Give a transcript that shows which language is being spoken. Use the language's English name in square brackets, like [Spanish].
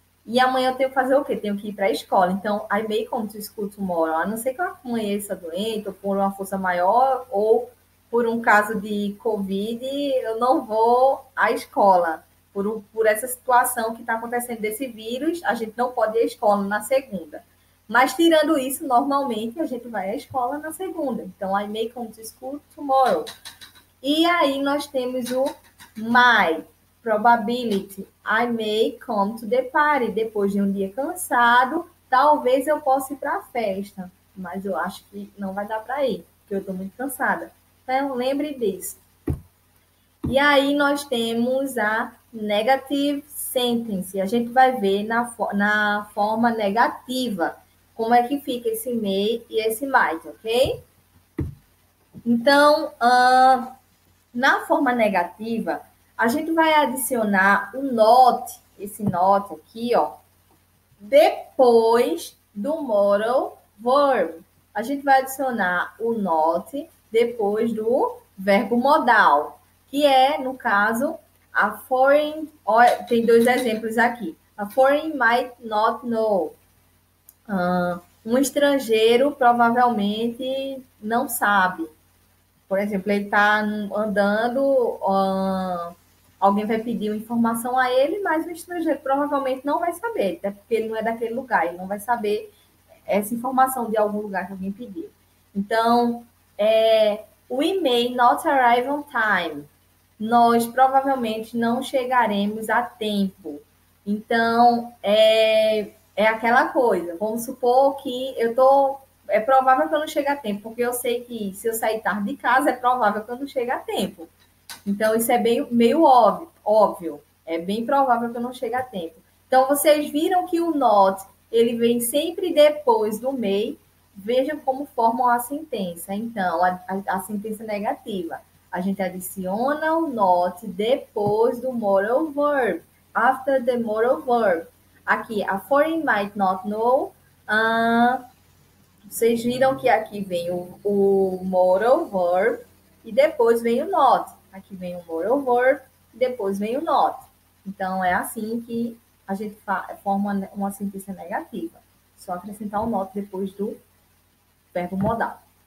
[Portuguese] E amanhã eu tenho que fazer o quê? Tenho que ir para a escola. Então, aí meio como tu escuta uma hora, a não ser que eu amanheça doente, ou por uma força maior, ou por um caso de Covid, eu não vou à escola. Por essa situação que está acontecendo desse vírus, a gente não pode ir à escola na segunda. Mas tirando isso, normalmente a gente vai à escola na segunda. Então, [English] I may come to school tomorrow. [Portuguese] E aí nós temos o my probability. [English] I may come to the party. [Portuguese] Depois de um dia cansado, talvez eu possa ir para a festa. Mas eu acho que não vai dar para ir, porque eu estou muito cansada. Então, lembre disso. E aí nós temos a negative sentence. A gente vai ver na forma negativa. Como é que fica esse may e esse might, ok? Então, na forma negativa, a gente vai adicionar o not, esse not aqui, ó, depois do modal verb. A gente vai adicionar o not depois do verbo modal, que é, no caso, a foreign. Tem dois exemplos aqui. [English] A foreign might not know. [Portuguese] Um estrangeiro provavelmente não sabe. Por exemplo, ele está andando, alguém vai pedir uma informação a ele, mas o estrangeiro provavelmente não vai saber, até porque ele não é daquele lugar, ele não vai saber essa informação de algum lugar que alguém pediu. Então, [English] we may not arrive on time. [Portuguese] Nós provavelmente não chegaremos a tempo. Então, é aquela coisa, vamos supor que eu tô. É provável que eu não chegue a tempo, porque eu sei que se eu sair tarde de casa, é provável que eu não chegue a tempo. Então, isso é bem, meio óbvio, óbvio. É bem provável que eu não chegue a tempo. Então, vocês viram que o not, ele vem sempre depois do may. Vejam como formam a sentença. Então, a sentença negativa. A gente adiciona o not depois do modal verb. [English] After the modal verb. [Portuguese] Aqui, [English] a foreign might not know. [Portuguese] Vocês viram que aqui vem o modal verb e depois vem o not. Aqui vem o modal verb e depois vem o not. Então, é assim que a gente forma uma sentença negativa. Só acrescentar o not depois do verbo modal.